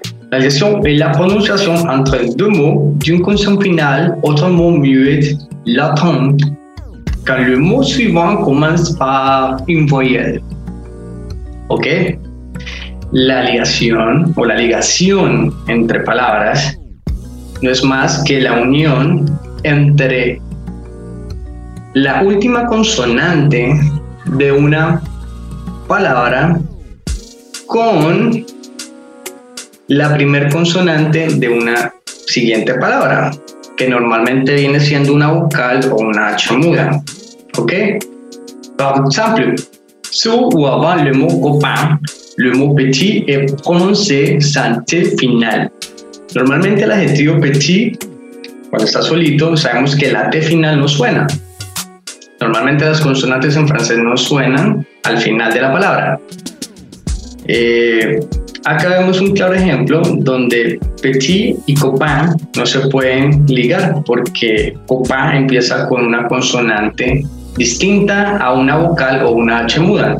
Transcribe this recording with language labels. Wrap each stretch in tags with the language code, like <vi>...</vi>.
<fr>La ligation est la prononciation entre deux mots d'une consonne finale, autrement muette, latente, quand le mot suivant commence par une voyelle. Ok?</fr> <es>La ligación o la ligación entre palabras no es más que la unión entre la última consonante de una palabra con la primer consonante de una siguiente palabra, que normalmente viene siendo una vocal o una H muda. ¿Ok? Por ejemplo,</es> <fr>sous o avant le mot copain, le mot petit est prononcé sans T final.</fr> <es>Normalmente el adjetivo petit, cuando está solito, sabemos que la T final no suena. Normalmente las consonantes en francés no suenan al final de la palabra. Acá vemos un claro ejemplo donde petit y copain no se pueden ligar porque copain empieza con una consonante distinta a una vocal o una H muda.</es>